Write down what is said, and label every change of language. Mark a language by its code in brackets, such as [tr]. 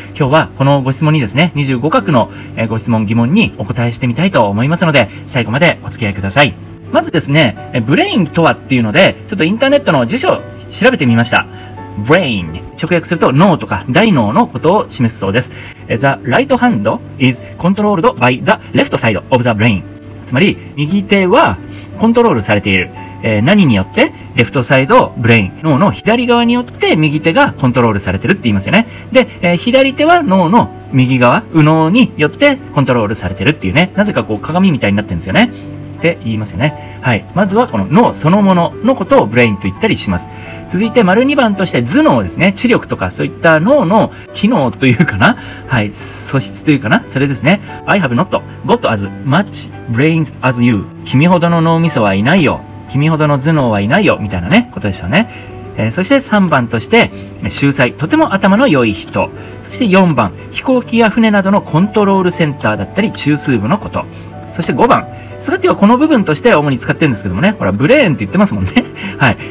[ja] 今日はこのご質問にですね、25画のご質問疑問にお答えしてみたいと思いますので、最後までお付き合いください。まずですね、ブレインとはっていうので、ちょっとインターネットの辞書調べてみました。ブレイン、直訳すると脳とか大脳のことを示すそうです。 [en] The right hand is controlled by the left side of the brain。 [ja] つまり、右手はコントロールされている。何によって、レフトサイドブレイン、脳の左側によって右手がコントロールされてるって言いますよね。で、左手は脳の右側、右脳によってコントロールされてるっていうね。なぜかこう鏡みたいになってるんですよね。って言いますよね。はい。まずはこの脳そのもののことをブレインと言ったりします。続いて丸2番として頭脳ですね。知力とかそういった脳の機能というかな。はい。素質というかな。それですね。 [en] I have not got as much brains as you。 [ja] 君ほどの脳みそはいないよ。君ほどの頭脳はいないよ。みたいなね、ことでしたね。そして3番として、秀才、とても頭の良い人。そして4番、飛行機や船などのコントロールセンターだったり、中枢部のこと。そして5番、スガッティはこの部分として主に使ってるんですけどもね、ほら、ブレーンって言ってますもんね。はい。